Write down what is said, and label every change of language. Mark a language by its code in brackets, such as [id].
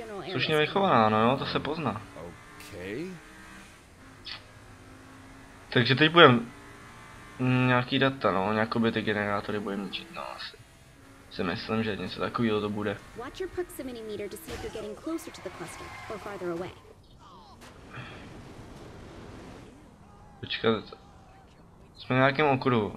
[cs] Slušně vychovaná, no jo, to se pozná. Okay. Takže teď budem... nějaký data, no, nějakoby ty generátory budem ničit, no asi. Si myslím, že něco takového to bude. [en] Watch your proximity meter to see if you're getting closer to the cluster, or farther away. [cs] Počkat, jsme na nějakém okruhu.